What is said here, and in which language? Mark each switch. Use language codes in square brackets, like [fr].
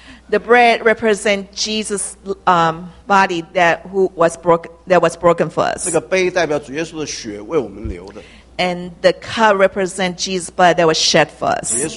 [en] the bread represents Jesus' body that was broken for us, [zh] 这个杯代表主耶稣的血为我们流的, [en] and the cup represents Jesus' blood that was shed for us.